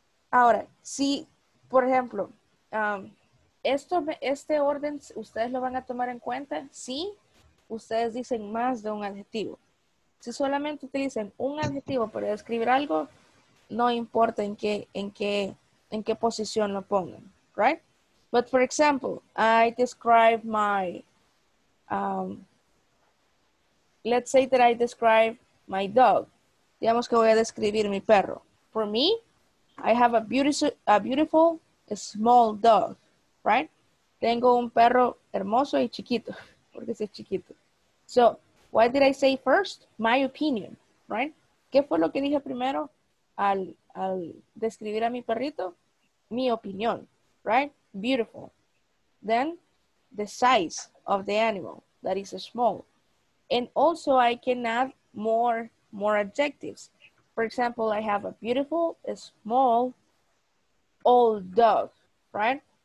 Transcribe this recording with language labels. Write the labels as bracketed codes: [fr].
[es] Ahora, si, por ejemplo, este orden, ustedes lo van a tomar en cuenta si ustedes dicen más de un adjetivo. Si solamente utilizan un adjetivo para describir algo, no importa en qué posición lo pongan, [en] right? But for example, I describe my, let's say that I describe my dog. [es] Digamos que voy a describir mi perro. [en] For me, I have a beautiful small dog, right? [es] Tengo un perro hermoso y chiquito, porque es chiquito. [en] So, what did I say first? My opinion, right? [es] ¿Qué fue lo que dije primero al describir a mi perrito? Mi opinión, [en] right? Beautiful. Then, the size of the animal, that is small. And also, I can add more adjectives. For example, I have a beautiful, small, old dog, right?